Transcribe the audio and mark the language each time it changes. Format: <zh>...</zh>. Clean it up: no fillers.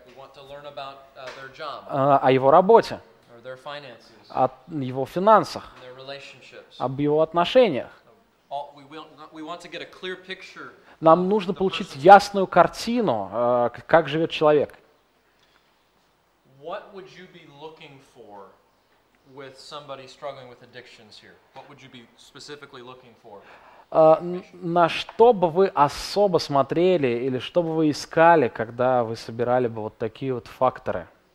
<en>We want to learn about their job.</en> <ru>О его работе.</ru> <en>Or their finances.</en> <ru>О его финансах.</ru> <en>Their relationships.</en> <ru>Об его отношениях.</ru> <en>We want to get a clear picture.</en> <ru>Нам нужно получить ясную картину, как живет человек.</ru> <en>What would you be looking for with somebody struggling with addictions here? What would you be specifically looking for?</en> <ru>На что бы вы особо смотрели или что бы вы искали, когда вы собирали бы вот такие вот факторы?</ru>